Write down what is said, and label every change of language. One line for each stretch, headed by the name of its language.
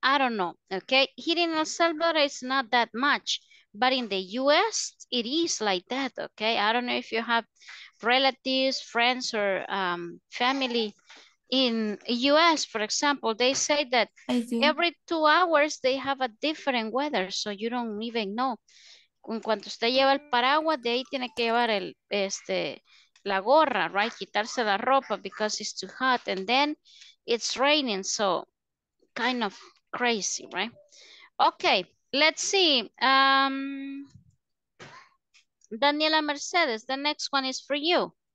English: I don't know, okay? Here in El Salvador it's not that much, but in the US it is like that, okay? I don't know if you have relatives, friends or family in US, for example, they say that every 2 hours they have a different weather, so you don't even know.
Spanish: En cuanto usted lleva el paraguas, de ahí tiene que llevar el, la gorra, right? Quitarse la ropa
English: because it's too hot. And then it's raining, so kind of crazy, right? Okay, let's see. Daniela Mercedes, the next one is for you.